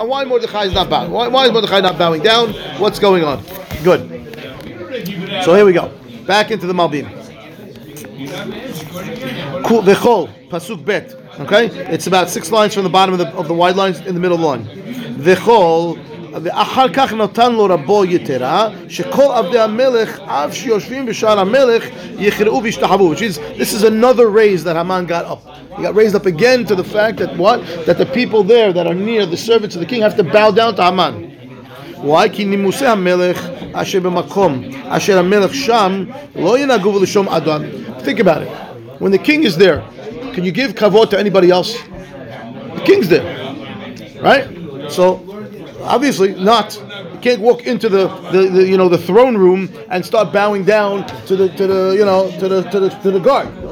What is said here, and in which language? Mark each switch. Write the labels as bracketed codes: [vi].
[en] And why Mordechai is not bowing? Why is Mordechai not bowing down? What's going on? Good. So here we go. Back into the Malbim. [he] Vechol pasuk bet. [en] Okay, it's about six lines from the bottom of the wide lines in the middle line. [he] Vechol. ואחר כך נתן לו רבו יתרה שכל עבדי המלך אף שיושבים בשער המלך יחראו וישתחבו. [en] This is another raise that Haman got up. He got raised up again to the fact that what? That the people there that are near the servants of the king have to bow down to Haman. Why? [he] כי נימוסי המלך אשר במקום אשר המלך שם לא ינהגו ולשום אדון. [en] Think about it. When the king is there, can you give כבוד to anybody else? The king's there. Right? So, obviously not. You can't walk into the throne room and start bowing down to the guard.